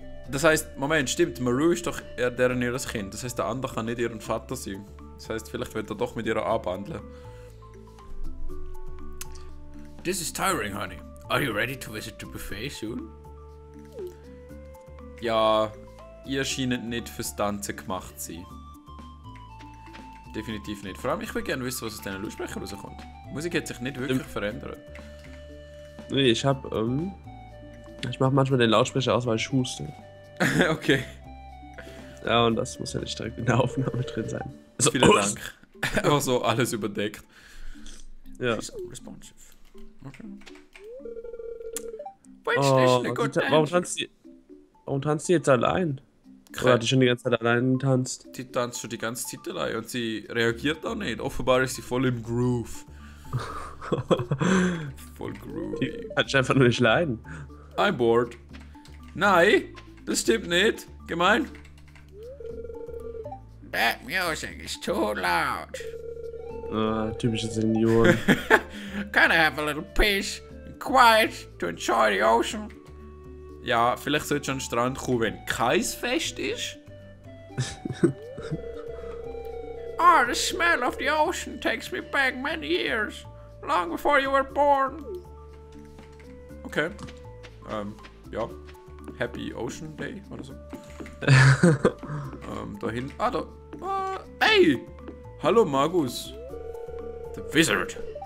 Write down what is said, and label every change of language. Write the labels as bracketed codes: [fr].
[de] Das heisst, Moment, stimmt, Maru ist doch eher deren ihres Kind. Das heisst, der andere kann nicht ihren Vater sein. Das heisst, vielleicht wird er doch mit ihr abhandeln. [en] This is tiring, honey. Are you ready to visit the buffet soon? [de] Ja, ihr scheint nicht fürs Tanzen gemacht zu sein. Definitiv nicht. Vor allem, ich würde gerne wissen, was aus diesen Lautsprechern rauskommt. Die Musik hat sich nicht wirklich verändert. Nee, ich hab, ich mach manchmal den Lautsprecher aus, weil ich huste. Okay. Ja, und das muss ja nicht direkt in der Aufnahme drin sein. Also, vielen Dank. Einfach so alles überdeckt. Ja. [en] Responsive. [de] Okay. Oh, warum tanzt die jetzt allein? Oder hat die schon die ganze Zeit allein getanzt? Die tanzt schon die ganze Zeit allein und sie reagiert auch nicht. Offenbar ist sie voll im Groove. Voll groovy. Hat sie einfach nur nicht leiden. [en] I'm bored. [de] Nein, das stimmt nicht. Gemein. [en] That music is too loud. [de] Typische Senioren. [en] Can I have a little peace and quiet to enjoy the ocean? [de] Ja, vielleicht sollte schon an den Strand kommen, wenn kein Fest ist. [en] Ah, oh, the smell of the ocean takes me back many years. Long before you were born. Okay. Ja. Happy Ocean Day [de] oder so. dahin. Ah, da. Ey! Hallo, Magus. The Wizard.